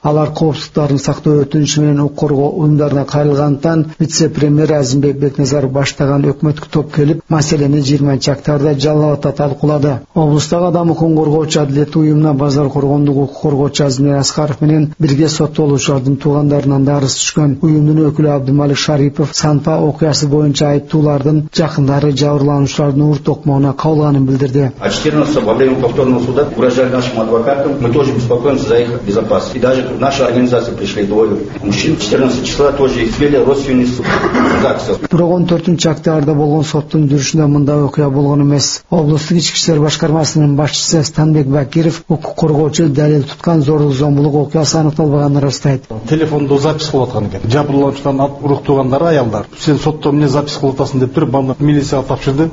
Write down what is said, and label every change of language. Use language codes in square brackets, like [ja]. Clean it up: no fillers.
[ky] Алар коопсуздуктарын сактоо өтүнүчү менен укук коргоо уюмдарына кайрылгандан вице-премьер Азимбек Бекназаров баштаган өкмөттүк топ келип, маселени 20 октябрда Жалабатта талкуулады. Облустагы адам укугун коргоочу адилет уюмуна Базар Коргондук укук коргоочу Азимбек Аскаров менен бирге соттолуучулардын туугандарынан да арыз түшкөн. Уюмдун өкүлү Абдымалик Шарипов Санпа окуясы боюнча айыптуулардын жакындары жабырлануучулардын урт токмоуна кабылганын билдирди. [ru] А 14 во время повторного суда угрожали нашим адвокатам. Мы тоже беспокоимся за их безопасность. И даже в нашу организацию пришли двое мужчин 14 [ky] бирок 14 октябрда болгон соттун жүрүшүндө мындай окуя болгон эмес. Облустук ички иштер башкармасынын башчысы Станбек Бакиров укук коргоочу далил туткан зорлук зомбулук окуясы аныкталбаганын ырастайт. Телефондо запись кылып аткан экен. Жабырлануучулардын урук туугандары аялдар. Сен сотто эмне запись кылып атасың деп туруп, аны милицияга тапшырды.